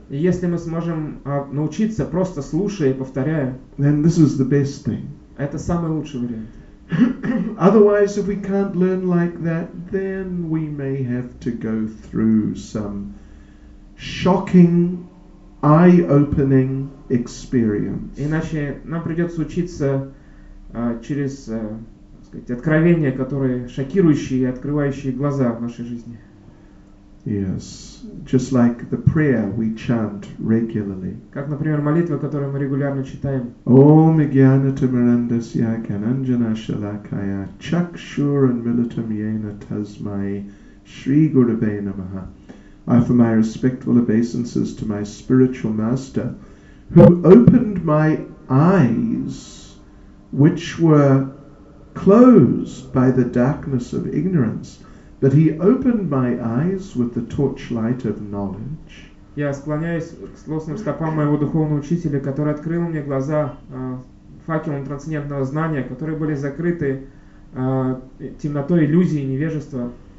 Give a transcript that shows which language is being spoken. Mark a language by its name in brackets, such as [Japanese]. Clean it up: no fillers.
[Russian] И если мы сможем научиться, просто слушая и повторяя. [English] Then this is the best thing. [Russian] Это самый лучший вариант. [English] Otherwise, if we can't learn like that, then we may have to go through some shocking, eye-opening experience. [Russian] Иначе нам придется учиться через, так сказать, откровения, которые шокирующие и открывающие глаза в нашей жизни. [English] Yes, just like the prayer we chant regularly. [Russian] Как, например, молитва, которую мы регулярно читаем. [Sanskrit] Om Gyanata Mirandasya Kananjana Shalakaya Chakshur and Militam Yena Tasmai Shri Gurave Namaha. [English] I offer my respectful obeisances to my spiritual master who opened my eyes which were closed by the darkness of ignorance. But he opened my eyes with the torchlight of knowledge. [Russian] Я склоняюсь к злостным стопам моего духовного учителя, который открыл мне глаза факелом трансцендентного знания, которые были закрыты темнотой иллюзии и невежества.